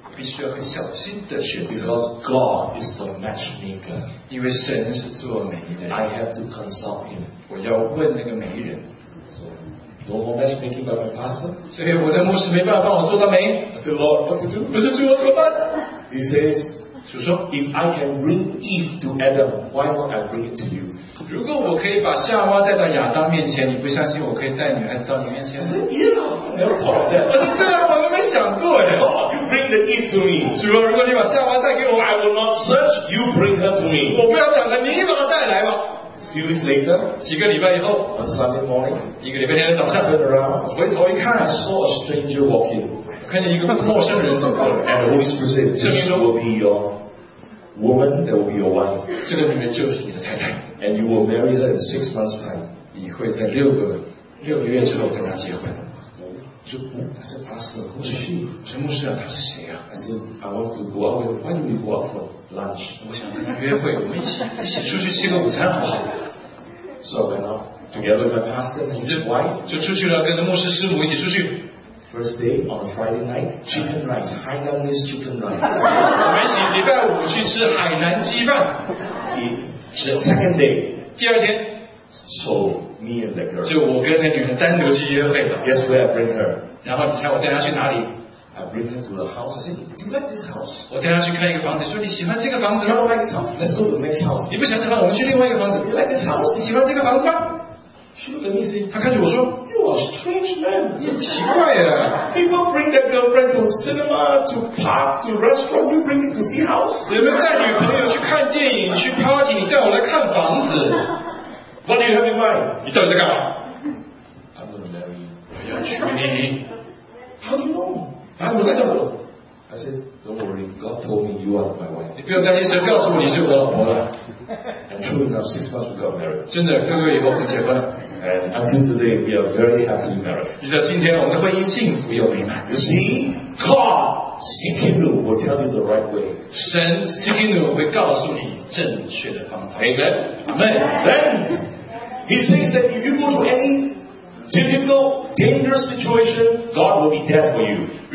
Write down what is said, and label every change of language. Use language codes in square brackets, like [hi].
[zh] 必须要很小心的选择。 [en] Because God is the matchmaker. [zh] 因为神是做媒人。 [en] I have to consult him. [zh] 我要问那个媒人。 [en] So, no more matchmaking by my pastor. [zh] 所以我的牧师没办法帮我做到媒。 [en] I said, Lord, what to do? [zh] 不是主，我怎么办？ [en] He says. [zh] 主说, [en] if I can bring Eve to Adam, why not I bring it to you? [zh] 如果我可以把夏娃带到亚当面前, 你不相信我可以带女孩子到你面前? [en] I said, yeah, never thought of that. [zh] 我说对啊，我都没想过耶。 [en] Lord, you bring the Eve to me. [zh] 主说，如果你把夏娃带给我, [en] I will not search, you bring her to me. [zh] 我不要讲了，你把她带来吧。 [en] Few weeks later, [zh] 几个礼拜以后, [en] on Sunday morning, [zh] 一个礼拜天的早上, [en] turn around, [zh] 回头一看, [en] I saw a stranger walking. [zh] 看见一个陌生人走过来, [en] and the Holy Spirit said, this will be your woman, that will be your wife. [zh] 这个女人就是你的太太, [en] and you will marry her in 6 months time. [zh] 你会在六个月之后跟她结婚。 [en] I said, Pastor, who is she? [zh] 神牧师啊，她是谁啊? [en] I said, I want to go out with, why don't we go out for lunch? [zh] 我想跟她约会，我们一起出去吃个午餐好不好? [en] So I went out together with my pastor and his wife. [zh] 就出去了，跟着牧师师母一起出去。 [en] First day on Friday night, chicken rice, Hainanese chicken rice. [zh] 我们一起礼拜五去吃海南鸡饭。 [en] The second day, [zh] 第二天, [en] so me and the girl. [zh] 就我跟那女人单独去约会了。 [en] Guess where I bring her? [zh] 然后你猜我带她去哪里? [en] I bring her to the house. I said, do you like this house? [zh] 我带她去看一个房子, 说你喜欢这个房子吗? [en] You don't like this house. Let's go to the next house. [zh] 你不喜欢这房子, 我们去另外一个房子。 [en] You like this house? [zh] 你喜欢这个房子吗? [en] She looked at me and said, [zh] 她看着我说, [en] You are a strange man. [zh] 你很奇怪耶, [en] People bring their girlfriend to cinema, to park, to restaurant, you bring me to see house. [zh] 你们带女朋友去看电影, 去party, 你带我来看房子。 [en] What do you have in mind? [zh] 你到底在干嘛? [en] I'm going to marry you. [zh] 我要娶你。 [en] How do you know? [zh] 我在干嘛? [en] I said, Don't worry, God told me you are my wife. [zh] 你不用担心神告诉我你是我老婆了。 [en] And true enough, 6 months we got married. [zh] 真的，六个月以后就结婚了。 [en] And until today, we are very happily married. [zh] 直到今天，我们的婚姻幸福又美满。 [en] You see, God seeking you will tell you the right way. [zh] 神 [en] seeking you [zh] 会告诉你正确的方法。 [en] Amen. Amen. Then He says that if you go to any difficult, dangerous situation, God will be there for you.